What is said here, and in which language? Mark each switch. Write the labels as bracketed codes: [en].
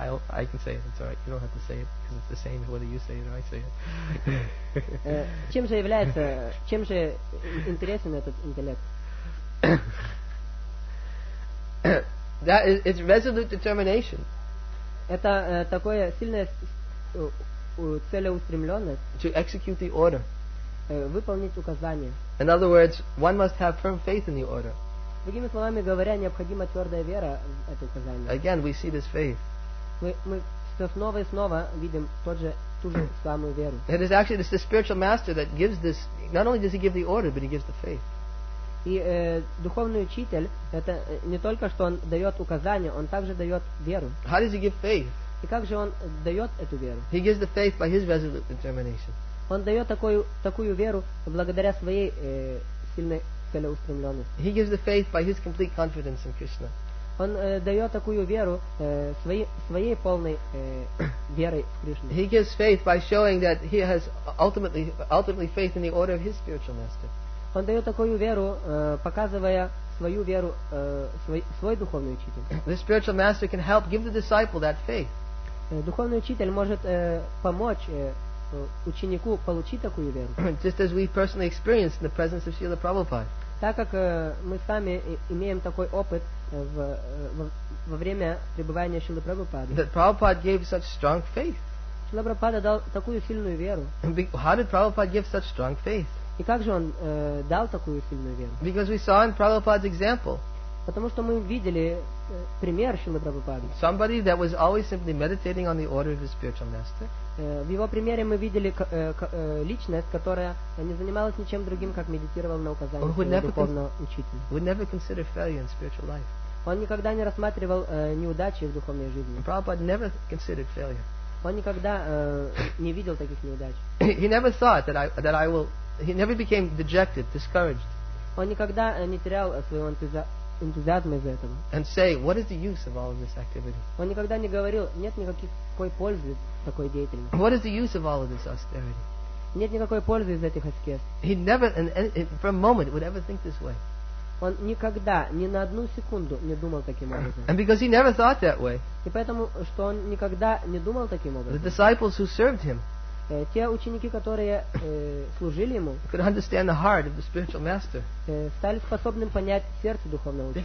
[en] I can say it, it's alright. You don't have to say it, because it's the same whether you say it or I say it. [ru] Чем же является, чем же интересен этот интеллект? [en] That is, it's resolute determination. [ru] Это такое сильное целеустремленность. [en] To execute the order. [ru] Выполнить указание. [en] In other words, one must have firm faith in the order. [ru] Другими словами говоря, необходима твердая вера в это указание. [en] Again, we see this faith. [ru] Мы снова и снова видим ту же самую веру. [en] It is actually the spiritual master that gives this. Not only does he give the order, but he gives the faith. [ru] И духовный учитель это не только что он дает указание, он также дает веру. [en] How does he give faith? [ru] И как же он дает эту веру? [en] He gives the faith by his resolute determination. [ru] Он дает такую веру благодаря своей сильной. [en] He gives the faith by his complete confidence in Krishna. [ru] Он дает такую веру своей полной верой в Кришну. [en] He gives faith by showing that he has ultimately faith in the order of his spiritual master. [ru] Он дает такую веру, показывая свою веру свой духовный учитель. [en] The spiritual master can help give the disciple that faith. [ru] Духовный учитель может помочь ученику получить такую веру. [en] Just as we personally experienced in the presence of Srila Prabhupada. [ru] Так как мы сами имеем такой опыт во время пребывания Шрилы Прабхупады. [en] That Prabhupada gave such strong faith. [ru] Шрила Прабхупада дал такую сильную веру. [en] How did Prabhupada give such strong faith? [ru] И как же он дал такую сильную веру? [en] Because we saw in Prabhupada's example. [ru] Потому что мы видели пример Шрилы Прабхупады. [en] Somebody that was always simply meditating on the order of his spiritual master. [ru] В его примере мы видели личность, которая не занималась ничем другим, как медитировала на указания своего духовного учителя. [en] Would never consider failure in spiritual life. [ru] Он никогда не рассматривал неудачи в духовной жизни. [en] Prabhupada never considered failure. [ru] Он никогда не видел таких неудач. [en] He never thought that I will. He never became dejected, discouraged. [ru] Он никогда не терял своего энтузиазма из-за этого. [en] And say, what is the use of all of this activity? [ru] Он никогда не говорил, нет никакой пользы такой деятельности. [en] What is the use of all of this austerity? [ru] Нет никакой пользы из этих аскез. [en] He never, and for a moment, would ever think this way. [ru] Он никогда, ни на одну секунду не думал таким образом. [en] And because he never thought that way. [ru] И поэтому, что он никогда не думал таким образом. [en] The disciples who served him. [ru] Те ученики, которые служили ему, [en] could understand the heart of the spiritual master. [ru] Стали способным понять сердце духовного учителя.